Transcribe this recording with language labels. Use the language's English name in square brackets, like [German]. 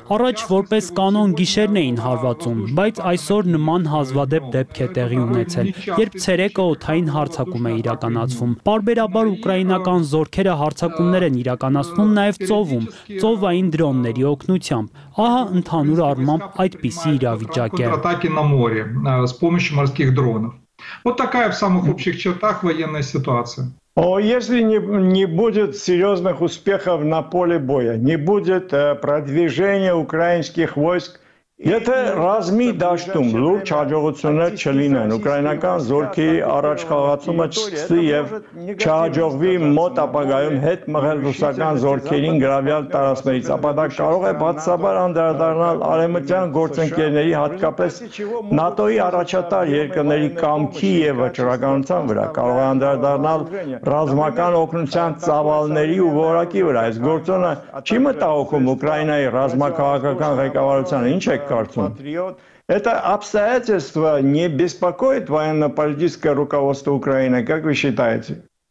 [Armenian] Առաջ որպես կանոն գիշերն էին հարվածում, բայց այսօր նման հազվադեպ դեպք է տեղի ունեցել, երբ ցերեկը օթային հարձակում է իրականացվում։ Պարբերաբար ուկրաինական զորքերը հարձակումներ են իրականացնում նաև ծովում, ծովային դրոնների օգնությամբ։ Ահա ընդհանուր առմամբ այդպիսի իրավիճակ է [Russian] на море с помощью морских дронов. Вот такая в самых общих чертах военная ситуация. О, если не будет серьезных успехов на поле боя, не будет продвижения украинских войск [Armenian] Եթե ռազմի դաշտում լուրջ հաջողություններ չլինեն, ուկրաինական զորքի առաջխաղացումը չսկսի եւ չհաջողվի մոտ ապագայում հետ մղել ռուսական զորքերին գրավյալ տարածքներից, ապա դա կարող է բացասաբար անդրադառնալ արևմտյան գործընկերների, հատկապես ՆԱՏՕ-ի առաջատար երկրների կամքի եւ վճռականության վրա, կարող է անդրադառնալ ռազմական օգնության ծավալների ու որակի վրա։ Այս գործոնը չի մտահոգում Ուկրաինայի ռազմաքաղաքական ղեկավարությանը, ինչ [Russian] Это обстоятельство не беспокоит военно-политическое руководство Украины, как вы считаете?